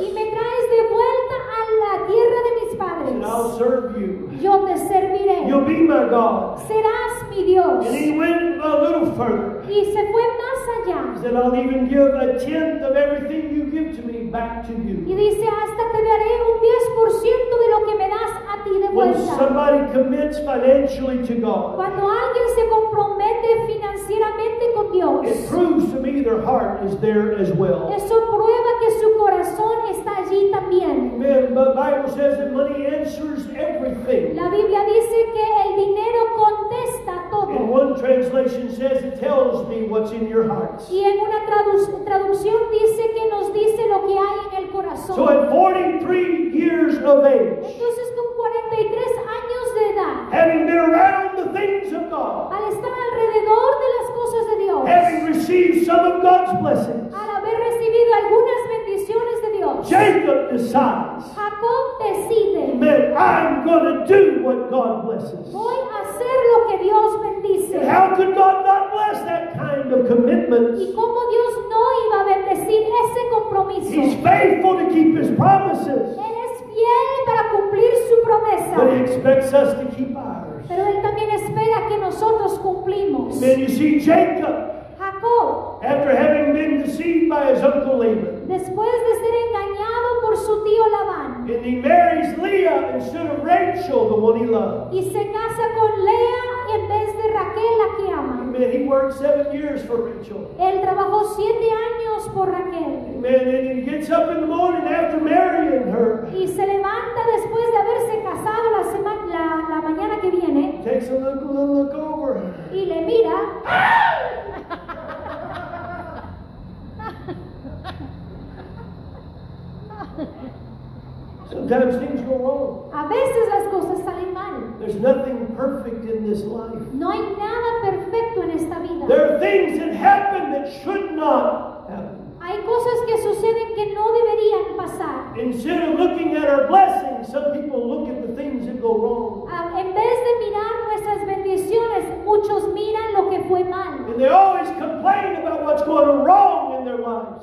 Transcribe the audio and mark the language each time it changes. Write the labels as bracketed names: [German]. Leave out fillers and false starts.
[Spanish] Y me traes de vuelta a la tierra de mis padres. [English] And I'll serve you. [Spanish] Yo te serviré. [English] You'll be my God. [Spanish] Serás mi Dios. [English] And he went a little further. [Spanish] Y se fue más allá. [English] He said, "I'll even give a tenth of everything you give to me back to you." [Spanish] Y dice, hasta te daré un 10% de lo que me das a ti de vuelta. [English] When somebody commits financially to God, [Spanish] cuando alguien se compromete financieramente con Dios, [English] it proves to me their heart is there as well. [Spanish] Eso prueba que su corazón está allí también. [English] Amen. The Bible says that money answers everything. [Spanish] La Biblia dice que el dinero contesta todo. [English] And one translation says it tells me what's in your hearts. [Spanish] Y en una traducción dice que nos dice lo que hay en el corazón. [English] So at 43 years of age. [Spanish] Entonces con 43 años de edad. [English] Having been around the things of God. [Spanish] Al estar alrededor de las cosas de Dios. [English] Having received some of God's blessings. [Spanish] Al haber recibido algunas bendiciones de Dios. [English] Jacob decides. [Spanish] Jacob decide. [English] Amen. I'm going to do what God blesses. [Spanish] Voy a hacer lo que Dios bendice. [English] And how could God not bless that kind of commitment? [Spanish] ¿Y cómo Dios no iba a bendecir ese compromiso? [English] He's faithful to keep his promises. [Spanish] Él es fiel para cumplir su promesa. [English] But he expects us to keep ours. [Spanish] Pero él también espera que nosotros cumplimos. [English] Then you see Jacob. [Spanish] Jacob. [English] After having been deceived by his uncle Laban. [Spanish] Después de ser engañado por su tío Labán. [English] And he marries Leah instead of Rachel, the one he loved. [Spanish] Y se casa con Lea en vez de Raquel, la que ama. [English] Amen. He worked 7 years for Rachel. [Spanish] Él trabajó 7 años por Raquel. [English] Amen. And he gets up in the morning after marrying her. [Spanish] Y se levanta después de haberse casado la semana, la mañana que viene. [English] Takes a little look over. [Spanish] Y le mira. [English] Sometimes things go wrong. [Spanish] A veces las cosas salen mal. [English] There's nothing perfect in this life. [Spanish] No hay nada perfecto en esta vida. [English] There are things that happen that should not happen. [Spanish] Hay cosas que suceden que no deberían pasar. [English] Instead of looking at our blessings, some people look at the things that go wrong. [Spanish] En vez de mirar nuestras bendiciones, muchos miran lo que fue mal. [English] And they always complain about what's going wrong in their lives.